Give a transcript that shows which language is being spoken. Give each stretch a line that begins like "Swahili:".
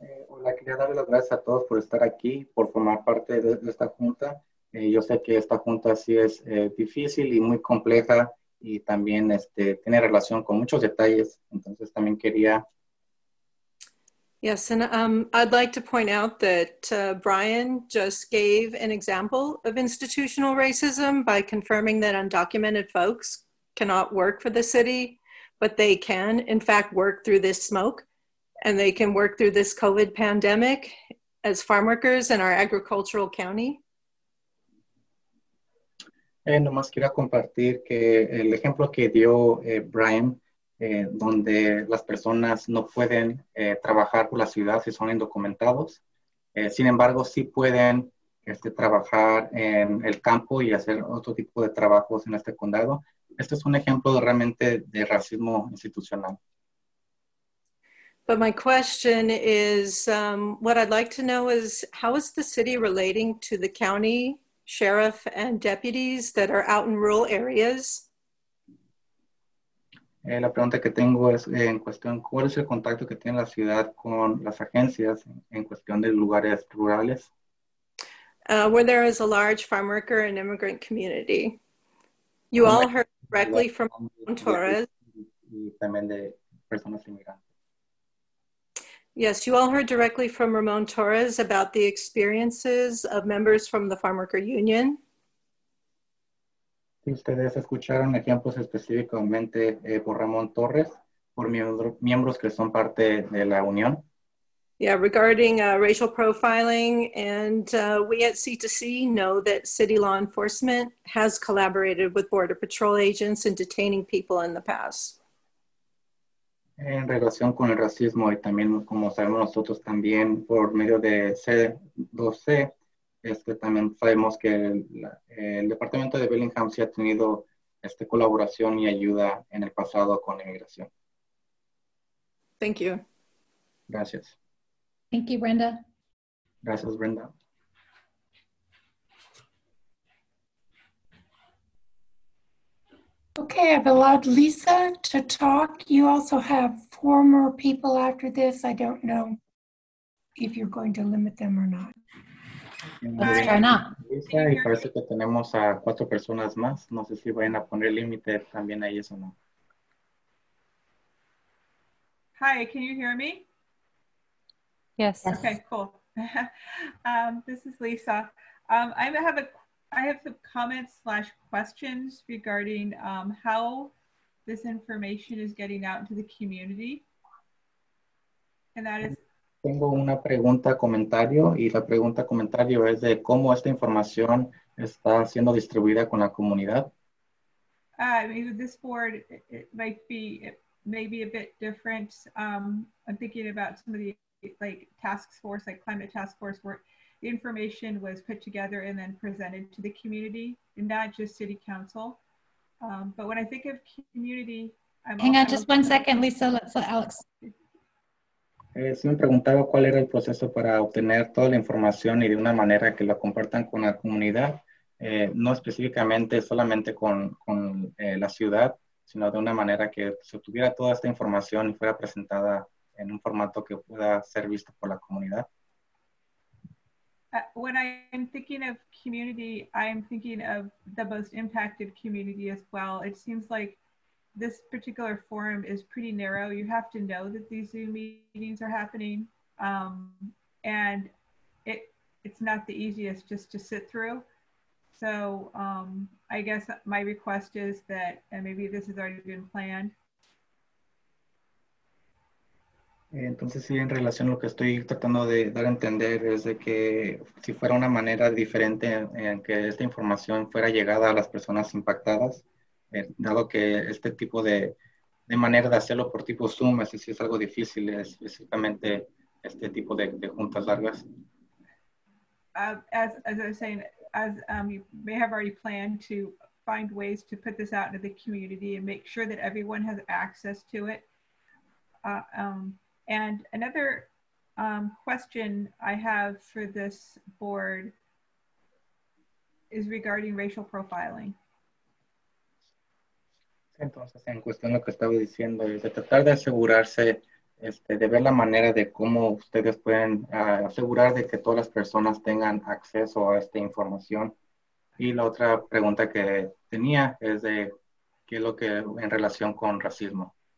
Spanish: Hola, quería darle las gracias a todos por estar aquí, por formar parte de esta junta. Yo sé que esta junta sí es difícil y muy compleja, y también tiene relación con muchos detalles, entonces también quería.
English: Yes, and I'd like to point out that Brian just gave an example of institutional racism by confirming that undocumented folks cannot work for the city, but they can, in fact, work through this smoke, and they can work through this COVID pandemic as farm workers in our agricultural county.
Spanish: Nomás quería compartir que el ejemplo que dio Brian, donde las personas no pueden trabajar por la ciudad si son indocumentados, sin embargo, sí pueden trabajar en el campo y hacer otro tipo de trabajos en este condado. Este es un ejemplo realmente de racismo institucional.
English: But my question is, what I'd like to know is, how is the city relating to the county sheriff and deputies that are out in rural areas?
Spanish: La pregunta que tengo es en cuestión, ¿cuál es el contacto que tiene la ciudad con las agencias en cuestión de lugares rurales?
English: Where there is a large farm worker and immigrant community. You all heard directly from Torres.
Spanish: Y también de personas inmigrantes.
English: Yes, you all heard directly from Ramon Torres about the experiences of members from the Farmworker Union.
Spanish: Ustedes escucharon ejemplos específicamente por Ramon Torres, por miembros que son parte de la Unión.
English: Yeah, regarding racial profiling, and we at C2C know that city law enforcement has collaborated with Border Patrol agents in detaining people in the past.
Spanish: En relación con el racismo y también como sabemos nosotros también por medio de C2C, también sabemos que el departamento de Bellingham sí ha tenido colaboración y ayuda en el pasado con inmigración.
English: Thank you.
Spanish: Gracias.
English: Thank you, Brenda.
Spanish: Gracias, Brenda.
English: Okay, I've allowed Lisa to talk. You also have 4 more people after this. I don't know if you're going to limit them or not. Let's try not.
Spanish: Lisa, y parece que tenemos a 4 personas más. No sé si vayan a poner límite también ahí o no.
English: Hi, can you hear me? Yes. Okay, cool. this is Lisa. I have some comments / questions regarding how this information is getting out into the community. And that is.
Spanish: Tengo una pregunta comentario y la pregunta comentario es de cómo esta información está siendo distribuida con la comunidad.
English: This board, it may be a bit different. I'm thinking about some of the task force, climate task force work. Information was put together and then presented to the community, and not just city council. But when I think of community Hang on just one second, Lisa. Let's let Alex.
Spanish: Si me preguntaba cuál era el proceso para obtener toda la información y de una manera que lo compartan con la comunidad, no específicamente solamente con la ciudad, sino de una manera que se obtuviera toda esta información y fuera presentada en un formato que pueda ser visto por la comunidad.
English: When I am thinking of community, I am thinking of the most impacted community as well. It seems like this particular forum is pretty narrow. You have to know that these Zoom meetings are happening. And it's not the easiest just to sit through. So I guess my request is that, and maybe this has already been planned.
Spanish: Entonces, sí, en relación a lo que estoy tratando de dar a entender es de que si fuera una manera diferente en que esta información fuera llegada a las personas impactadas, dado que este tipo de manera de hacerlo por tipo Zoom, es decir, es algo difícil, específicamente este tipo de juntas largas.
English: As I was saying, as you may have already planned to find ways to put this out into the community and make sure that everyone has access to it. And another question I have for this board is regarding racial profiling.
Spanish: Entonces, en cuestión de lo que estaba diciendo, es de tratar de asegurarse, de ver la manera de cómo ustedes pueden asegurar de que todas las personas tengan acceso a esta información. Y la otra pregunta que tenía es de qué es lo que en relación con racismo.